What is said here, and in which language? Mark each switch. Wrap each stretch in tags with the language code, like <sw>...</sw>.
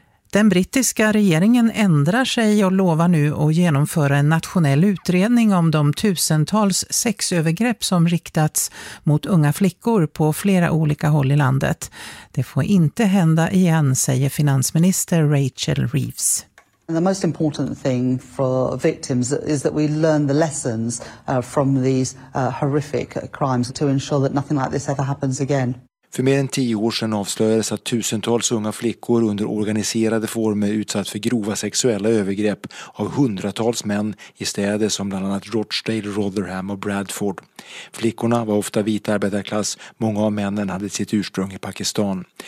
<sv>Den brittiska regeringen ändrar sig och lovar nu att genomföra en nationell utredning om de tusentals sexövergrepp som riktats mot unga flickor på flera olika håll i landet. Det får inte hända igen, säger finansminister Rachel Reeves.</sv> <en>And the most important thing for victims is that we learn the lessons from these horrific crimes to ensure that nothing like this ever happens again.</en> <sv>För mer än 10 år sedan avslöjades att tusentals unga flickor under organiserade former utsatt för grova sexuella övergrepp av hundratals män i städer som bland annat Rochdale, Rotherham och Bradford. Flickorna var ofta vita arbetarklass, många av männen hade sitt ursprung i Pakistan.</sv>